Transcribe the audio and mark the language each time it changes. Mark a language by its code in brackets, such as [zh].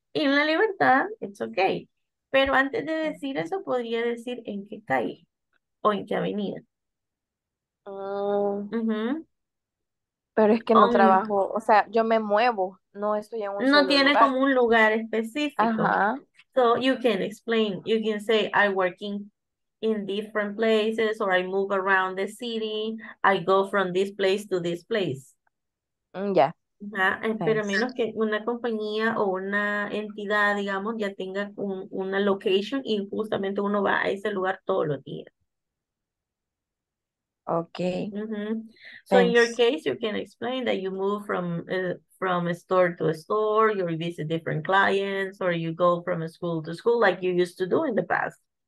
[en] In La Libertad, it's okay. [es] Pero antes de decir eso, podría decir en qué calle. ¿O en qué avenida? Pero es que no trabajo, o sea, yo me muevo, no estoy en un No tiene lugar. Como un lugar específico. Ajá. [en] So you can explain, you can say I work in different places, or I move around the city, I go from this place to this place. [es] Ya. [en] Yeah. [es] Pero menos que una compañía o una entidad, digamos, ya tenga una location y justamente uno va a ese lugar todos los días. Okay. Mm-hmm. [en] So thanks. In your case, you can explain that you move from a store to a store, you visit different clients, or you go from a school to school like you used to do in the past.